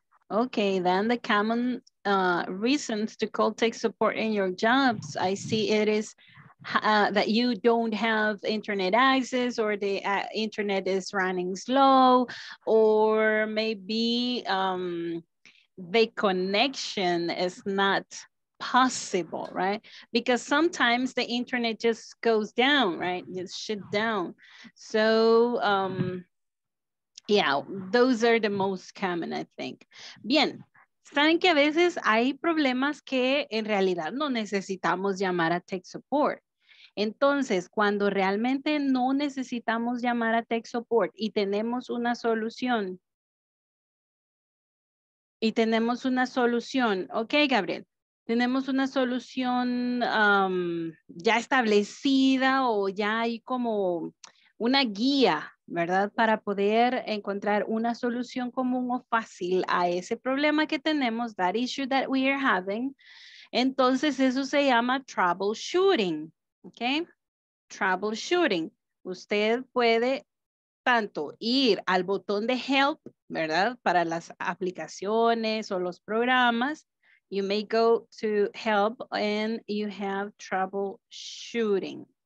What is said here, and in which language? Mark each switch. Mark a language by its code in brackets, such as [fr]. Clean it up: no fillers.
[en] Okay, then the common reasons to call tech support in your jobs, I see it is that you don't have internet access, or the internet is running slow, or maybe the connection is not possible, right? Because sometimes the internet just goes down, right? It's shut down. So yeah, those are the most common, I think. [es] Bien, saben que a veces hay problemas que en realidad no necesitamos llamar a tech support. Entonces, cuando realmente no necesitamos llamar a tech support y tenemos una solución, ok, Gabriel, tenemos una solución ya establecida, o ya hay como una guía, ¿verdad? Para poder encontrar una solución común o fácil a ese problema que tenemos, [en] that issue that we are having. [es] Entonces eso se llama troubleshooting, ¿ok? [en] Troubleshooting. [es] Usted puede tanto ir al botón de help, ¿verdad? Para las aplicaciones o los programas. [en] You may go to help and you have troubleshooting.